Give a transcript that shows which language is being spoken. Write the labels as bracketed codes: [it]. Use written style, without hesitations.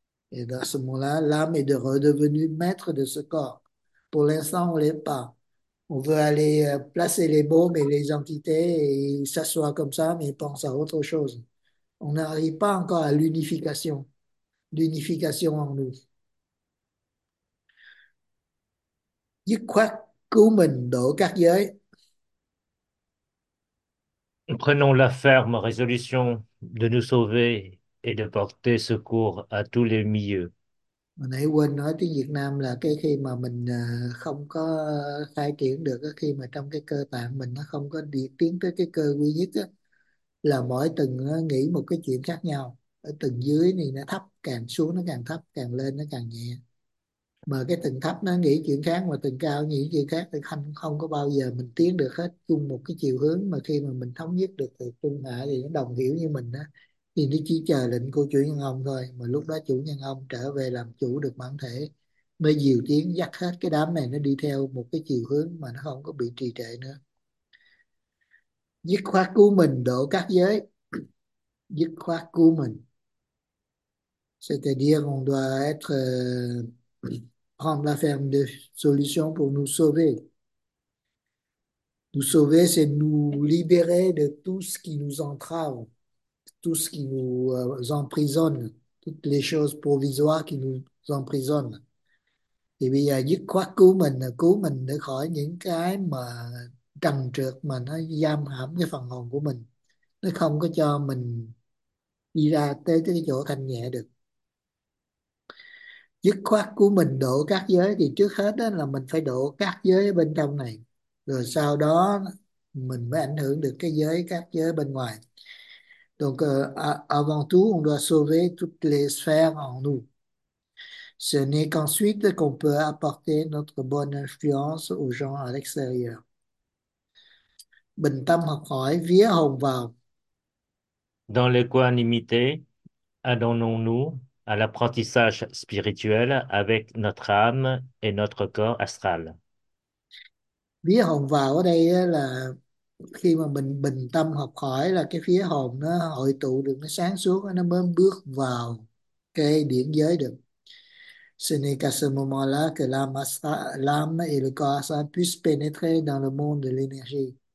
[fr] Et dans ce moment-là, l'âme est redevenue maître de ce corps. Pour l'instant, on ne l'est pas. On veut aller placer les baumes et les entités et s'asseoir comme ça, mais pense à autre chose. On n'arrive pas encore à l'unification, l'unification en nous. [vi] Dứt khoát cứu mình độ các giới. [fr] Prenons la ferme résolution de nous sauver et de porter secours à tous les milieux. [vi] Mình hãy quên nói tiếng Việt Nam là cái khi mà mình không có khai triển được, khi mà trong cái cơ tạng mình nó không có đi tiến tới cái cơ duy nhất đó, là mỗi tầng nghĩ một cái chuyện khác nhau. Ở tầng dưới thì nó thấp, càng xuống nó càng thấp, càng lên nó càng nhẹ. Mà cái tầng thấp nó nghĩ chuyện khác, mà tầng cao nghĩ chuyện khác, thì không có bao giờ mình tiến được hết chung một cái chiều hướng. Mà khi mà mình thống nhất được thì trung hạ thì nó đồng hiểu như mình đó. thì nó chỉ chờ lệnh của chủ nhân ông thôi, mà lúc đó chủ nhân ông trở về làm chủ được bản thể mới diều tiến dắt hết cái đám này nó đi theo một cái chiều hướng mà nó không có bị trì trệ nữa. Dứt khoát cứu mình độ các giới, dứt khoát cứu mình. [fr] C'est-à-dire qu'on doit être prendre la ferme de solution pour nous sauver. Nous sauver, c'est nous libérer de tout ce qui nous entrave, tout ce qui nous emprisonne, toutes les choses provisoires qui nous emprisonnent. [vi] Thì bây giờ dứt khoát cứu mình để khỏi những cái mà trần trượt mà nó giam hãm cái phần hồn của mình. Nó không có cho mình đi ra tới cái chỗ thanh nhẹ được. Dứt khoát của mình độ các giới thì trước hết đó là mình phải độ các giới bên trong này, rồi sau đó mình mới ảnh hưởng được cái giới các giới bên ngoài. [fr] Donc avant tout on doit sauver toutes les sphères en nous. Ce n'est qu'ensuite qu'on peut apporter notre bonne influence aux gens à l'extérieur. [vi] Bình tâm học hỏi vía hồn vào. [fr] Dans l'équanimité, adonnons-nous à l'apprentissage spirituel avec notre âme et notre corps astral. [vi] Vía hồn vào ở đây là khi mà mình bình tâm học hỏi là cái vía hồn nó hội tụ được, nó sáng suốt, nó mới bước vào cái điển giới được. [fr] Ce n'est qu'à ce moment-là que l'âme et le corps astral puissent pénétrer dans le monde de l'énergie.